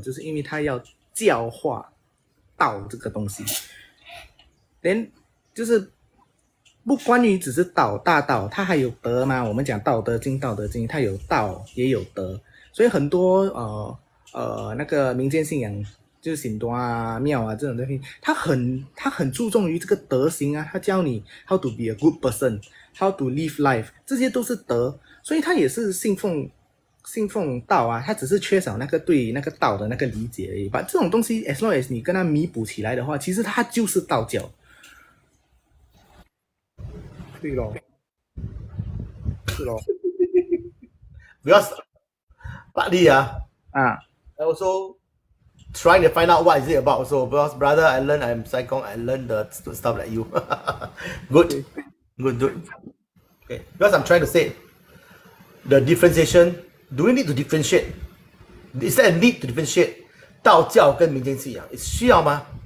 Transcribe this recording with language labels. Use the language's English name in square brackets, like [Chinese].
[Chinese] 就是因为它要教化。道这个东西，连 就是不关于只是道大道，它还有德嘛。我们讲《道德经》，《道德经》它有道也有德，所以很多那个民间信仰，就是神道啊、庙啊这种东西，它很注重于这个德行啊。它教你 [English] how to be a good person， how to live life， [Chinese] 这些都是德，所以它也是信奉。信奉道啊，他只是缺少那个对那个道的那个理解而已。把这种东西 ， [English] as long as [Chinese] 你跟他弥补起来的话，其实他就是道教。对咯，是咯。 [English] Because，partly啊，啊，I also trying to find out what is it about. So because brother, I learn I'm psychong. I learn the stuff like you. good, good, good. Okay, because I'm trying to say the differentiation. Do we need to differentiate? Is there a need to differentiate? [Chinese] 道教跟民间信仰, 需要吗?